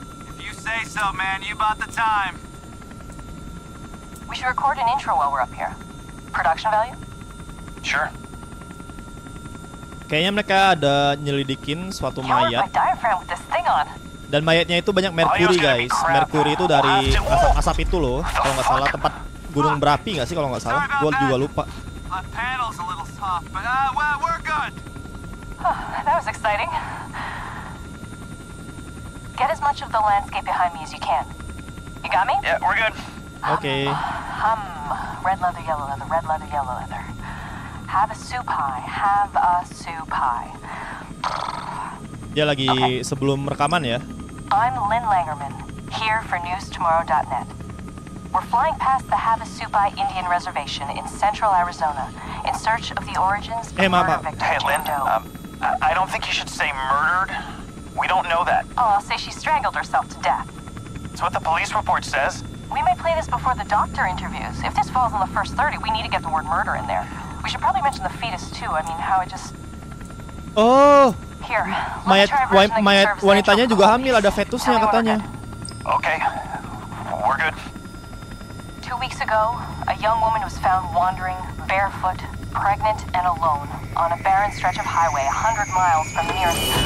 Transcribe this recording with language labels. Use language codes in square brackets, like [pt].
[en] If you say so, man, you bought the time. We should record an intro while we're up here. Production value? Sure. [id] Kayaknya mereka ada nyelidikin suatu mayat. [en] Killed my diaphragm with this thing on. [id] Dan mayatnya itu banyak merkuri guys. Merkuri itu dari asap itu loh. Kalau nggak salah tempat gunung berapi nggak sih kalau nggak salah. Gue juga lupa. [en] That was exciting. Get as much of the landscape behind me as you can. You got me? Yeah, we're good. Okay. Red leather, yellow leather, red leather, yellow leather. Have a soup pie. Have a soup pie. [id] Dia lagi okay. Sebelum rekaman ya. [en] I'm Lynn Langerman, here for newstomorrow.net. We're flying past the Havasupai Indian Reservation in central Arizona in search of the origins of murder victim Jane Doe. Hey, Lynn, I don't think you should say murdered. We don't know that. Oh, I'll say she strangled herself to death. It's what the police report says. We may play this before the doctor interviews. If this falls on the first 30, we need to get the word murder in there. We should probably mention the fetus, too. I mean, how it just... Oh! Here, [id] mayat wanitanya juga hamil, ada fetusnya katanya. [en] Okay, we're good. 2 weeks ago, a young woman was found wandering, barefoot, pregnant, and alone on a barren stretch of highway 100 miles from the nearest.